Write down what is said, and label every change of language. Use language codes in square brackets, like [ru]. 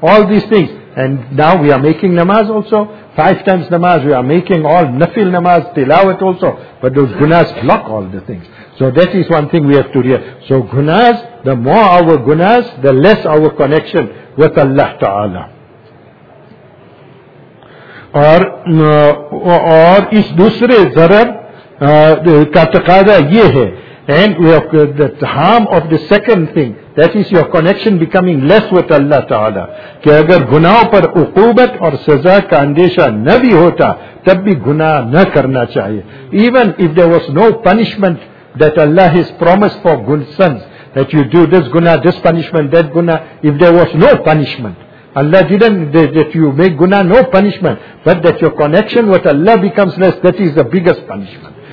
[en] All these things. And now we are making namaz also. Five times namaz. We are making all nafil namaz, tilawat also. But those gunas block all the things. So that is one thing we have to hear. So gunas, the more our gunas, the less our connection with Allah Ta'ala. [ur] اور اس دوسرے ضرر کا تقاضی یہ ہے. [en] And the harm of the second thing, that is your connection becoming less with Allah Ta'ala. [ur] کہ اگر گناہوں پر عقوبت اور سزا کا اندیشہ نہ بھی ہوتا تب بھی گناہ نہ کرنا چاہیے. [en] Even if there was no punishment that Allah has promised for good sons, that you do this guna, this punishment, that guna, if there was no punishment, Allah didn't, that you make guna, no punishment, but that your connection with Allah becomes less, that is the biggest punishment.